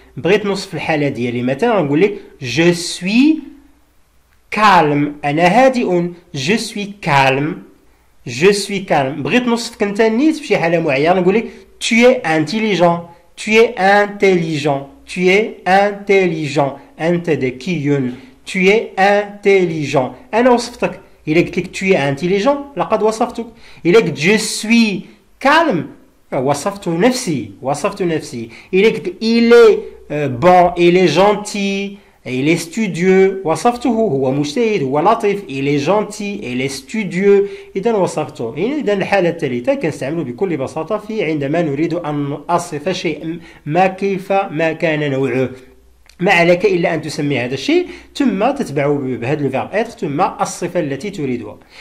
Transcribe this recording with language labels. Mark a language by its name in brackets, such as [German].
[Arabic] بغيت نوصف الحالة ديالي، مثلا نقول لك [French] je suis calme، [Arabic] أنا هادئ، je suis calme، je suis calme. بغيت نوصفك أنت نيت في شي حالة معينة، نقول لك [French] tu es intelligent، [Arabic] tu es intelligent، tu es intelligent. أنت ذكي، [French] tu es intelligent. [Arabic] أنا وصفتك، إلا قلت لك [French] tu es intelligent [Arabic] لقد وصفتك، إلا قلت [French] je suis calme [Arabic] وصفت نفسي، وصفت نفسي. [French] Il est bon, il est gentil, il est studieux. [Arabic] وصفته هو مجتهد، هو لطيف. [French] Il est gentil, il est studieux. [Arabic] إذا وصفته. إذا الحالة الثالثة كنستعمله بكل بساطة في عندما نريد أن نصف شيء ما كيف ما كان نوعه. ما عليك إلا أن تسمي هذا الشيء، ثم تتبعه بهذا الفيرب إتر، ثم الصفة التي تريدها.